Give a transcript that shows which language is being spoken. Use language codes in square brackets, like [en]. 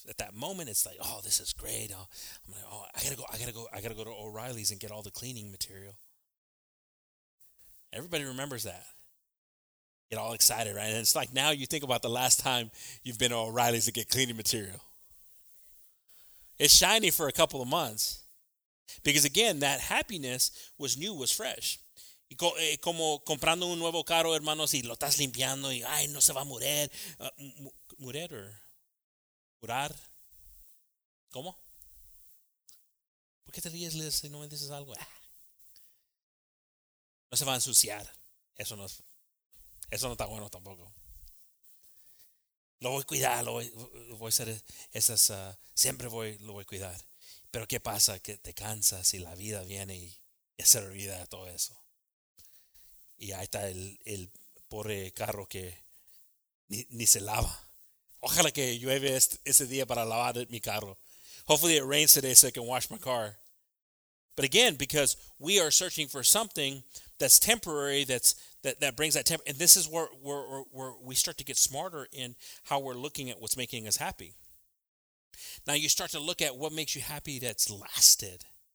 [en] At that moment, it's like, oh, this is great. Oh, I'm like, oh, I gotta go to O'Reilly's and get all the cleaning material. Everybody remembers that. Get all excited, right? And it's like now you think about the last time you've been to O'Reilly's to get cleaning material. It's shiny for a couple of months. Because again, that happiness was new, was fresh. [es] Y como comprando un nuevo carro, hermanos, y lo estás limpiando, y ay, no se va a morir. ¿Morir o curar? ¿Cómo? ¿Por qué te ríes, Liz, si no me dices algo? No se va a ensuciar. Eso no está bueno tampoco. Lo voy a cuidar, lo voy a hacer esas, siempre voy, lo voy a cuidar. Pero ¿qué pasa? Que te cansas y la vida viene y se olvida de todo eso. Y ahí está el pobre carro que ni se lava. Ojalá que llueve ese día para lavar mi carro. [en] Hopefully it rains today so I can wash my car. But again, because we are searching for something that's temporary, that brings that temp. And this is where we start to get smarter in how we're looking at what's making us happy. Now you start to look at what makes you happy that's lasted.